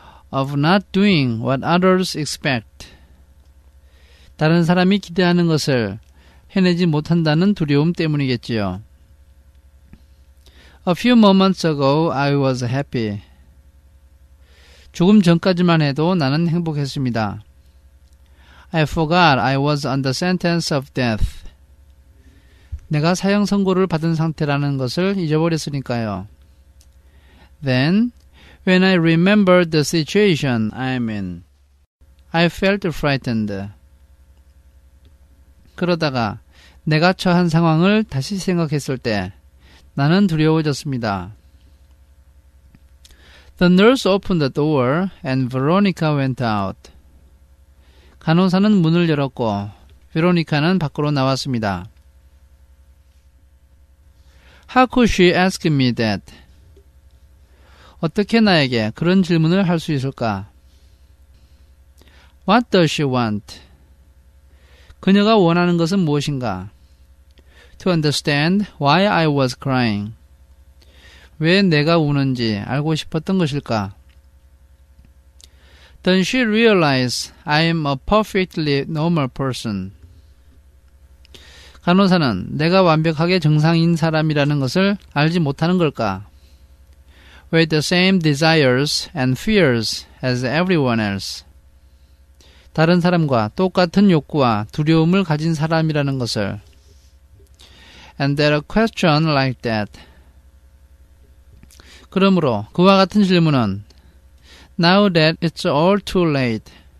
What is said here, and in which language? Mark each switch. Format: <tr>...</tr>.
<en>Of not doing what others expect.</en> <ko>다른 사람이 기대하는 것을 해내지 못한다는 두려움 때문이겠지요.</ko> <en>A few moments ago, I was happy.</en> <ko>조금 전까지만 해도 나는 행복했습니다.</ko> <en>I forgot I was on the sentence of death.</en> <ko>내가 사형 선고를 받은 상태라는 것을 잊어버렸으니까요.</ko> <en>Then, when I remembered the situation I'm in, I felt frightened.</en> <ko>그러다가 내가 처한 상황을 다시 생각했을 때 나는 두려워졌습니다.</ko> <en>The nurse opened the door and Veronica went out.</en> <ko>간호사는 문을 열었고 베로니카는 밖으로 나왔습니다.</ko> <en>How could she ask me that?</en> <ko>어떻게 나에게 그런 질문을 할 수 있을까?</ko> <en>What does she want?</en> <ko>그녀가 원하는 것은 무엇인가?</ko> <en>To understand why I was crying.</en> <ko>왜 내가 우는지 알고 싶었던 것일까?</ko> <en>Then she realized I am a perfectly normal person.</en> <ko>간호사는 내가 완벽하게 정상인 사람이라는 것을 알지 못하는 걸까?</ko> <en>With the same desires and fears as everyone else.</en> <ko>다른 사람과 똑같은 욕구와 두려움을 가진 사람이라는 것을.</ko> <en>And that a question like that.</en> <ko>그러므로 그와 같은 질문은</ko> <en>Now that it's all too late.</en>